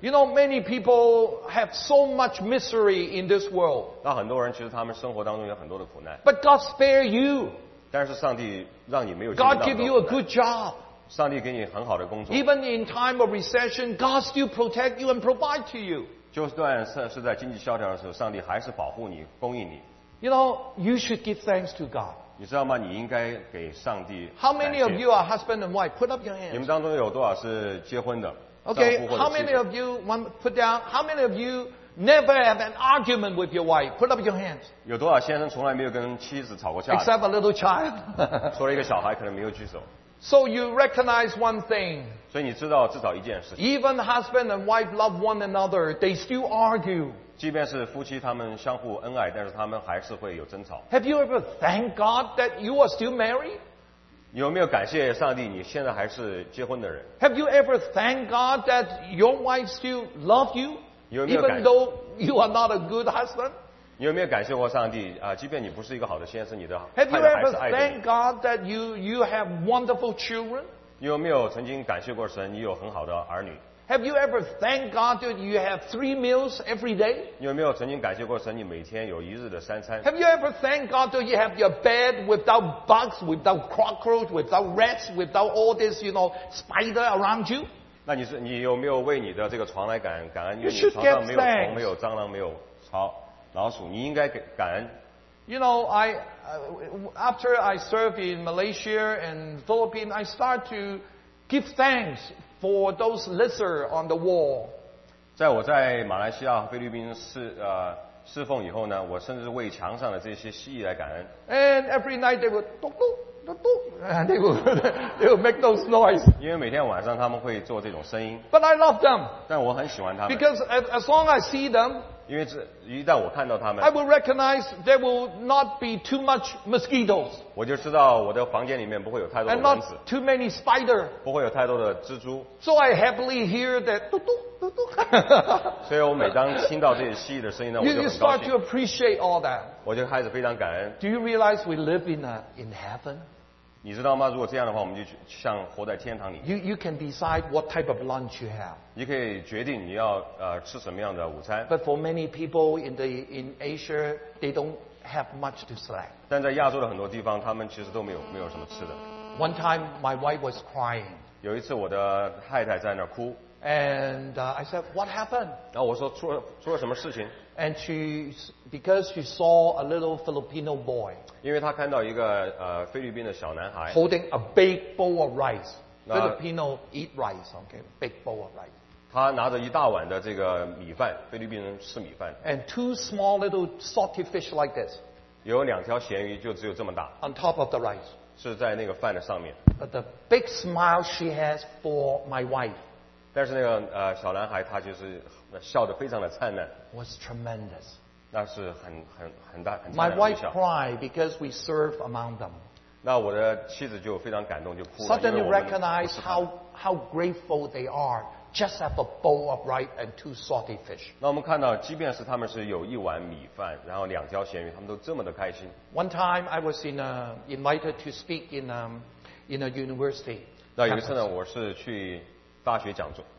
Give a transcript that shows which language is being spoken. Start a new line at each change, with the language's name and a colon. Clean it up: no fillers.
English: You know, many people have so much misery in this world.
Chinese: 那很多人其实他们生活当中有很多的苦难。
English: But God spare you.
Chinese: 但是上帝让你没有经历到苦难。
English: God give you a good job.
Chinese: 上帝给你很好的工作。
English: Even in time of recession, God still protect you and provide to you.
Chinese: 就算是在经济萧条的时候, 上帝还是保护你, 供应你。
English: You know, you should give thanks to God.
Chinese: 你知道吗?你应该给上帝,
English: how many of you are husband and wife? Put up your hands.
Chinese: 你们当中有多少是结婚的,
English: okay, how many of you, one, put down, how many of you Never have an argument with your wife. Put up your hands.
Chinese: 有多少先生从来没有跟妻子吵过架？
English: Except a little child.
Chinese: 除了一个小孩，可能没有举手。
English: So you recognize one thing.
Chinese: 所以你知道至少一件事情。
English: Even husband and wife love one another, they still argue.
Chinese: 即便是夫妻他们相互恩爱，但是他们还是会有争吵。
English: Have you ever thanked God that you are still married?
Chinese: 有没有感谢上帝你现在还是结婚的人？
English: Have you ever thanked God that your wife still loves you?
Chinese: 有没有
English: even though you are not a good husband?
Chinese: 你有没有感谢过上帝、啊、即便你不是一个好的先生，你的太太还是爱着你。
English: Have you ever thanked God that you have wonderful children?
Chinese: 有没有曾经感谢过神你有很好的儿女？
English: Have you ever thanked God that you have three meals every day?
Chinese: 有没有曾经感谢过神你每天有一日的三餐？
English: Have you ever thanked God that you have your bed without bugs, without cockroach, without rats, without all this, you know, spider around you?
Chinese: 那你有没有为你的这个床来感恩？
English: You should get thanks.
Chinese: 你床上没有虫，没有蟑螂，没有草老鼠，你应该感恩。
English: You know, after I served in Malaysia and Philippines, I start to give thanks for those lizards on the wall.
Chinese: 在我在马来西亚和菲律宾侍奉以后呢，我甚至为墙上的这些蜥蜴来感恩。
English: And every night they would dook dook dook dook, and they would make those noise.
Chinese: 因为每天晚上他们会做这种声音。
English: But I love them.
Chinese: 但我很喜欢他们。
English: Because as long as I see them,
Chinese: 因为一旦我看到他们
English: ，I will recognize there will not be too much mosquitoes.
Chinese: 我就知道我的房间里面不会有太多的蚊子
English: ，and not too many spiders.
Chinese: 不会有太多的蜘蛛。
English: So I happily hear that 嘟嘟嘟嘟。
Chinese: 所以我每当听到这些蜥蜴的声音呢，我就很高兴。
English: You start to appreciate all that.
Chinese: 我就开始非常感恩。
English: Do you realize we live in heaven?
Chinese: 你知道吗？如果这样的话，我们就像活在天堂里。
English: You can decide what type of lunch you have.
Chinese: 你可以决定你要吃什么样的午餐。
English: But for many people in Asia, they don't have much to select.
Chinese: 但在亚洲的很多地方，他们其实都没有什么吃的。
English: One time, my wife was crying.
Chinese: 有一次，我的太太在那哭。
English: And I said, "What happened?"
Chinese: 然后我说出了什么事情。
English: And because she saw a little Filipino boy.
Chinese: 因为她看到一个菲律宾的小男孩。
English: Holding a big bowl of rice. Filipino eat rice, okay? Big bowl of rice.
Chinese: 他拿着一大碗的这个米饭，菲律宾人吃米饭。
English: And two small little salty fish like this.
Chinese: 有两条咸鱼，就只有这么大。
English: On top of the rice.
Chinese: 是在那个饭的上面。
English: But the big smile she has for my wife.
Chinese: 但是那个小男孩他就是笑得非常的灿烂。
English: Was tremendous.
Chinese: 那是很大很灿烂的笑。
English: My wife cried because we serve among them.
Chinese: 那我的妻子就非常感动就哭了。
English: Suddenly recognize how grateful they are. Just have a bowl of rice and two salty fish.
Chinese: 那我们看到即便是他们是有一碗米饭然后两条咸鱼他们都这么的开心。
English: One time I was invited to speak in a university.
Chinese: 那有一次呢我是去大学讲座。